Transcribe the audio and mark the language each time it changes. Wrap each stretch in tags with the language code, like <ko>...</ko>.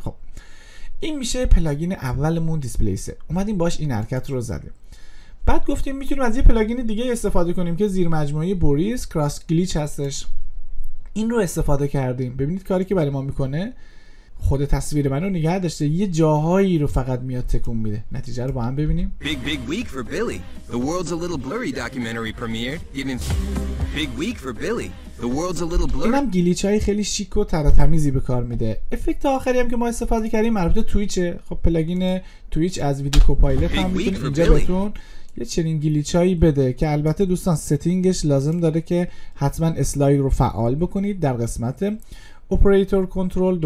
<fa>خب این میشه پلاگین اولمون دیسپلیسر، اومدیم باش این حرکت رو زدیم. بعد گفتیم میتونیم از یه پلاگین دیگه استفاده کنیم که زیرمجموعه بوریس کراس گلیچ هستش. این رو استفاده کردیم. ببینید کاری که برای ما میکنه، خود تصویر منو نگه داشته، یه جاهایی رو فقط میاد تکون میده. نتیجه رو با هم ببینیم.</fa> <en>Big big week for Billy. The world's a little blurry documentary premiered. Giving big week for Billy. The world's a little blurry.</en> <fa>اینم گلیچای خیلی شیک و تراتمیزی به کار میده. افکت آخری هم که ما استفاده کردیم مربوط تویچه. خب پلاگین تویچ از ویدیو کوپایلوت هم میتونه اینجا بهتون یه چنین گلیچایی بده که البته دوستان ستینگش لازم داره که حتما اسلاید رو فعال بکنید در قسمت اپراتور کنترل.</fa>